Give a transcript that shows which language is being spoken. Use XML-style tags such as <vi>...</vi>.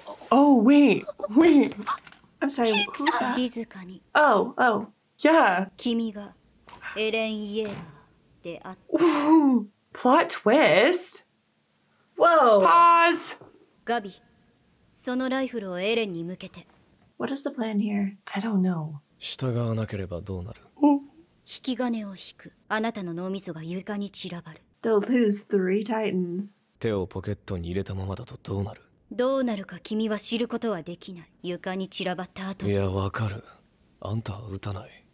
<en>Oh, wait, wait. I'm sorry. Who's</en> <ja>that? 静かに。</ja> <en>Oh, oh, yeah.</en> <ja>君がエレン・イエガーであった。</ja> <en>Ooh, plot twist. Whoa. Pause.</en> <ja>ガビ、そのライフルをエレンに向けて。</ja> <en>What is the plan here? I don't know.</en> <ja>従わなければどうなる？引き金を引く。あなたの脳みそが床に散らばる。</ja> <en>They'll lose three titans.</en> <ja>手をポケットに入れたままだとどうなる？どうなるか君は知ることはできない。床に散らばった後じゃ。いや、わかる。あんたは撃たない。</ja>